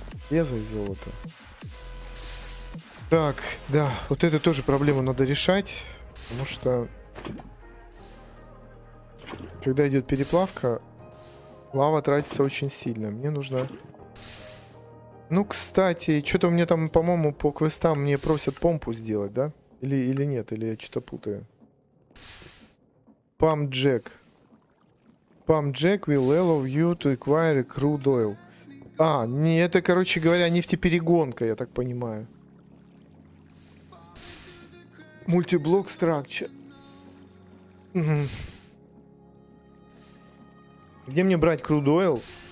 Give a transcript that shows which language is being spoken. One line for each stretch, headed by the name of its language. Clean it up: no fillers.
Russian: Железо и золото. Так, да, вот это тоже проблему надо решать, потому что когда идет переплавка, лава тратится очень сильно. Мне нужно... Ну, кстати, что-то мне там, по-моему, по квестам мне просят помпу сделать, да? Или, или нет, или я что-то путаю.
English: Pump Jack. Pump Jack will allow you to acquire crude oil.
Russian: А, не, это, короче говоря, нефтеперегонка, я так понимаю. Мультиблок Structure. Где мне брать Crude Oil?